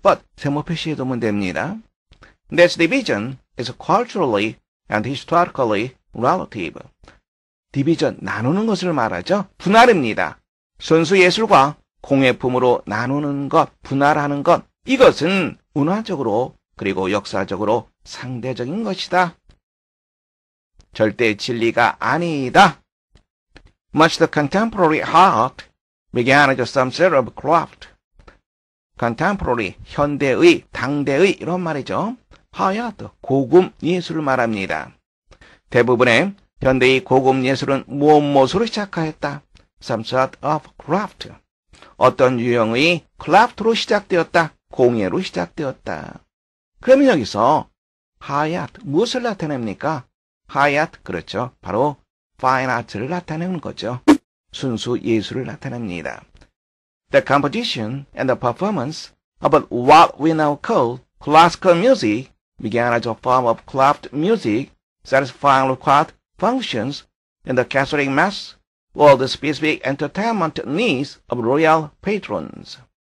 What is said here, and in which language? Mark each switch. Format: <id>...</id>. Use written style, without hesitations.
<en>But,</en> <ko>세모 표시해두면 됩니다.</ko> <en>This division is culturally and historically relative.</en> <ko>Division, 나누는 것을 말하죠. 분할입니다. 순수 예술과 공예품으로 나누는 것, 분할하는 것, 이것은 문화적으로 그리고 역사적으로 상대적인 것이다. 절대 진리가 아니다.</ko> <en>Much the contemporary art began as some sort of craft.</en> <ko>Contemporary, 현대의, 당대의 이런 말이죠. Art, 고급 예술을 말합니다. 대부분의 현대의 고급 예술은 무엇으로 시작하였다.</ko> <en>Some sort of craft.</en> <ko>어떤 유형의 craft로 시작되었다. 공예로 시작되었다. 그러면 여기서 art, 무엇을 나타냅니까? High art, 그렇죠. 바로 fine art를 나타내는 거죠. 순수 예술을 나타냅니다.</ko> <en>The composition and the performance of what we now call classical music began as a form of craft music satisfying required functions in the Catholic mass or the specific entertainment needs of royal patrons.</en>